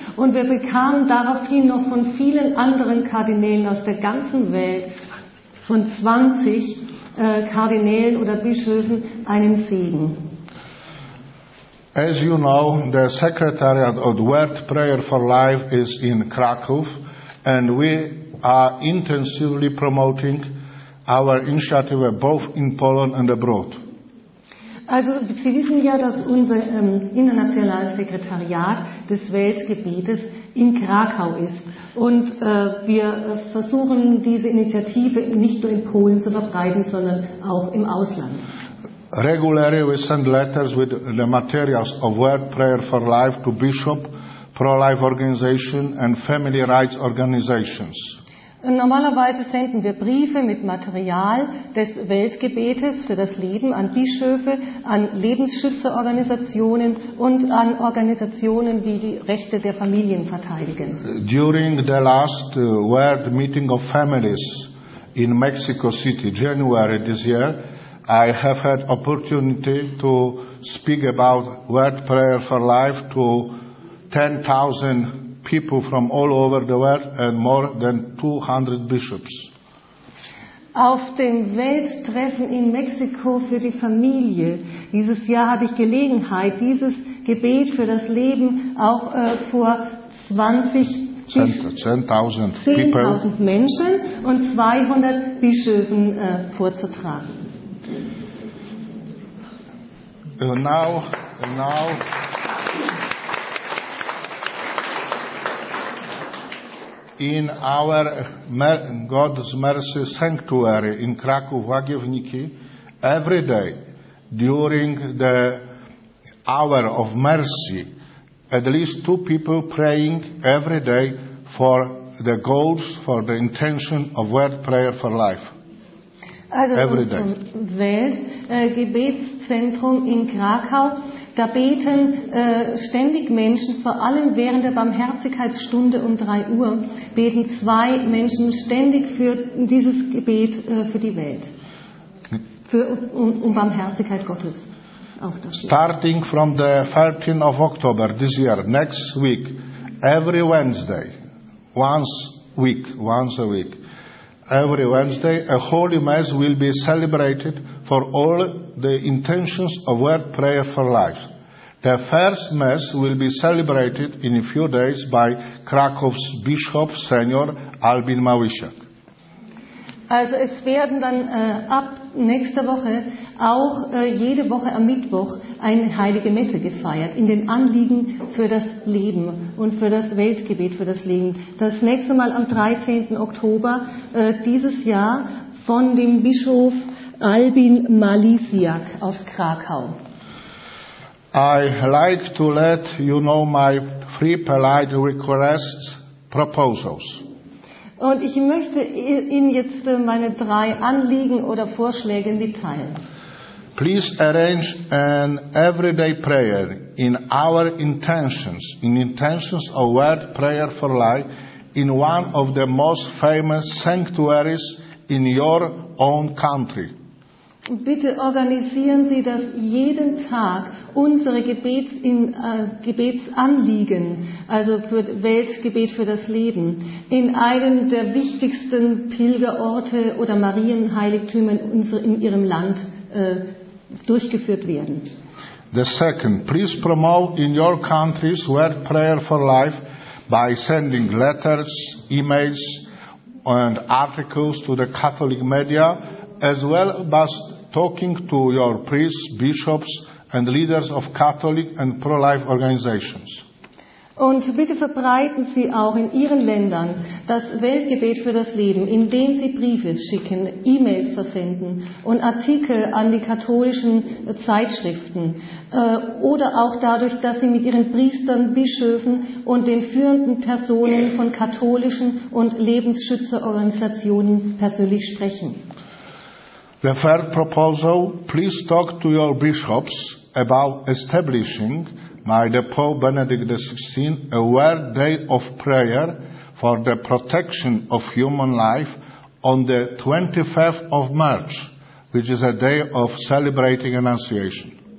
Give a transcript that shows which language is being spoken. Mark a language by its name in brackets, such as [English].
[German] Und wir bekamen daraufhin noch von vielen anderen Kardinälen aus der ganzen Welt, von 20 Kardinälen oder Bischöfen, einen Segen. [English] As you know, the Secretariat of the World Prayer for Life is in Krakow, and we are intensively promoting our initiative both in Poland and abroad. [German] Also, Sie wissen ja, dass unser internationales Sekretariat des Weltgebetes in Krakau ist. Und wir versuchen, diese Initiative nicht nur in Polen zu verbreiten, sondern auch im Ausland. [English] Regularly we send letters with the materials of World Prayer for Life to Bishop, Pro-Life Organization and Family Rights Organizations. [German] Normalerweise senden wir Briefe mit Material des Weltgebetes für das Leben an Bischöfe, an Lebensschützerorganisationen und an Organisationen, die die Rechte der Familien verteidigen. [English] During the last World Meeting of Families in Mexico City, January this year, I have had opportunity to speak about World Prayer for Life to 10,000 people from all over the world and more than 200 bishops. [German] Auf dem Welttreffen in Mexiko für die Familie dieses Jahr hatte ich Gelegenheit, dieses Gebet für das Leben auch vor 10,000 Menschen und 200 Bischöfen vorzutragen. [English] Now in our God's Mercy Sanctuary in Kraków, Łagiewniki, every day during the hour of mercy, at least 2 people praying every day for the goals, for the intention of World Prayer for Life. Also every day. [German] Zum Weltgebetszentrum in Krakau. Da beten ständig Menschen, vor allem während der Barmherzigkeitsstunde um 3 Uhr, beten 2 Menschen ständig für dieses Gebet für die Welt. Um Barmherzigkeit Gottes. Auch dafür. [English] Starting from the 13th of October this year, next week, every Wednesday, once a week, every Wednesday, a holy mass will be celebrated for all the intentions of World Prayer for Life. The first mass will be celebrated in a few days by Krakow's Bishop, Senior Albin Małysiak. [German] Also es werden dann ab nächster Woche auch jede Woche am Mittwoch eine heilige Messe gefeiert in den Anliegen für das Leben und für das Weltgebet für das Leben. Das nächste Mal am 13. Oktober dieses Jahr von dem Bischof Albin Małysiak aus Krakau. [English] I like to let you know my 3 polite requests, proposals. [German] Und ich möchte Ihnen jetzt meine 3 Anliegen oder Vorschläge mitteilen. [English] Please arrange an everyday prayer in our intentions, in intentions of word prayer for life, in one of the most famous sanctuaries in your own country. [German] Bitte organisieren Sie, dass jeden Tag unsere Gebetsanliegen, also für Weltgebet für das Leben, in einem der wichtigsten Pilgerorte oder Marienheiligtümer in Ihrem Land durchgeführt werden. [English] The second, please promote in your countries word prayer for life by sending letters, emails and articles to the Catholic media, as well as talking to your priests, bishops and leaders of Catholic and pro-life organizations. [German] Und bitte verbreiten Sie auch in Ihren Ländern das Weltgebet für das Leben, indem Sie Briefe schicken, E-Mails versenden und Artikel an die katholischen Zeitschriften oder auch dadurch, dass Sie mit Ihren Priestern, Bischöfen und den führenden Personen von katholischen und Lebensschützerorganisationen persönlich sprechen. [English] The third proposal, please talk to your bishops about establishing by the Pope Benedict XVI a World Day of Prayer for the Protection of Human Life on the 25th of March, which is a day of celebrating Annunciation.